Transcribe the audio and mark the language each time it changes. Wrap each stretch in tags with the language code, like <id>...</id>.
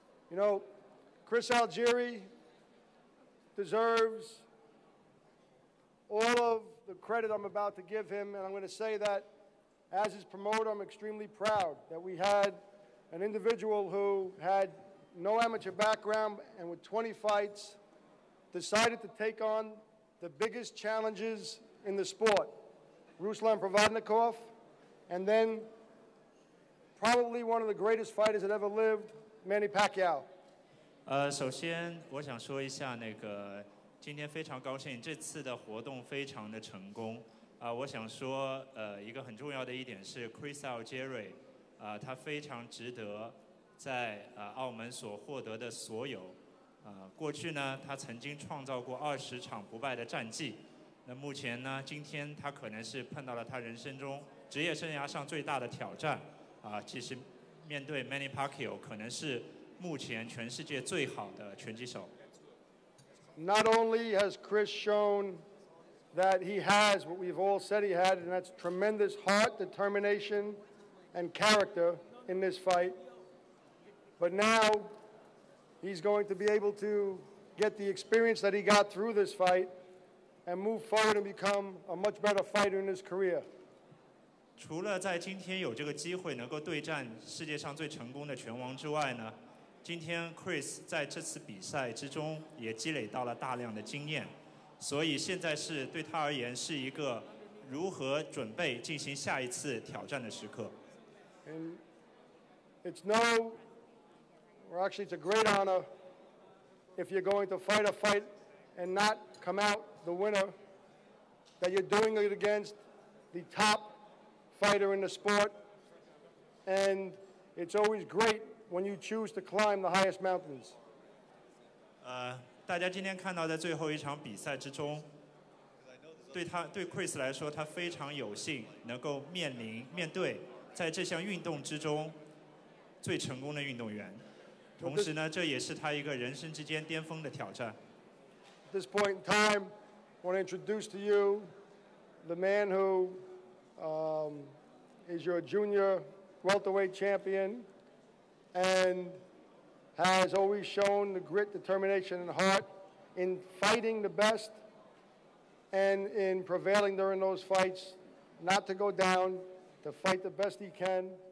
<en>You know, Chris Algieri deserves all of the credit I'm about to give him, and I'm going to say that as his promoter, I'm extremely proud that we had an individual who had no amateur background and with 20 fights decided to take on the biggest challenges in the sport. Ruslan Provodnikov, and then probably one of the greatest fighters that ever lived, Manny Pacquiao.</en> <zh>首先我想说一下那个今天非常高兴，这次的活动非常的成功。我想说一个很重要的一点是 Chris Algieri, 他非常值得在澳门所获得的所有。过去呢他曾经创造过20场不败的战绩。那目前呢今天他可能是碰到了他人生中职业生涯上最大的挑战其实面对 Manny Pacquiao 可能是目前全世界最好的拳击手。</zh> <en>Not only has Chris shown that he has what we've all said he had, and that's tremendous heart, determination and character in this fight, but now he's going to be able to get the experience that he got through this fight and move forward and become a much better fighter in his career.</en> <zh>除了在今天有这个机会能够对战世界上最成功的拳王之外呢，今天 Chris 在这次比赛之中也积累到了大量的经验，所以现在是对他而言是一个如何准备进行下一次挑战的时刻。</zh> <en>And it's no, or actually it's a great honor if you're going to fight a fight and not come outthe winner, that you're doing it against the top fighter in the sport, and it's always great when you choose to climb the highest mountains.</en> <zh>大家今天看到在最后一场比赛之中，对他对 Chris 来说，他非常有幸能够面对在这项运动之中最成功的运动员，同时呢，这也是他一个人生之间巅峰的挑战。</zh> <en>At this point in time,I want to introduce to you the man who is your junior welterweight champion and has always shown the grit, determination, and heart in fighting the best and in prevailing during those fights, not to go down, to fight the best he can.</en>